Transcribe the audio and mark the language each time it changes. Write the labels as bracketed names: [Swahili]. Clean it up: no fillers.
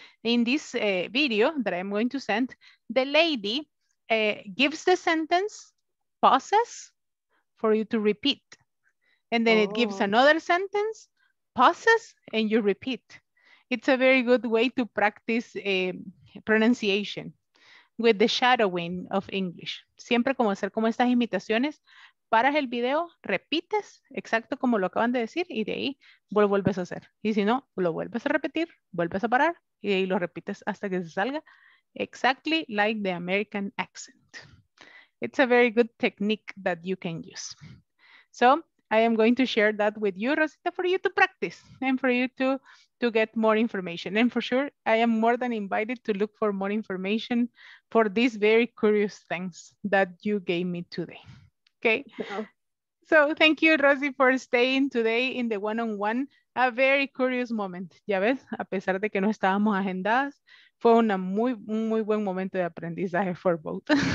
[English] In this video that I'm going to send, the lady gives the sentence, pauses for you to repeat. And then it gives another sentence, pauses, and you repeat. It's a very good way to practice pronunciation with the shadowing of English. [Spanish] Siempre como hacer como estas imitaciones, paras el video, repites exacto como lo acaban de decir y de ahí lo vuelves a hacer. Y si no, lo vuelves a repetir, vuelves a parar y de ahí lo repites hasta que se salga. [English] Exactly like the American accent. It's a very good technique that you can use. So I am going to share that with you, Rosita, for you to practice and for you to get more information. And for sure, I am more than invited to look for more information for these very curious things that you gave me today. Okay. So thank you, Rosie, for staying today in the one-on-one. A very curious moment. [Spanish] Ya ves, a pesar de que no estábamos agendadas, fue una muy, muy buen momento de aprendizaje [English] for both.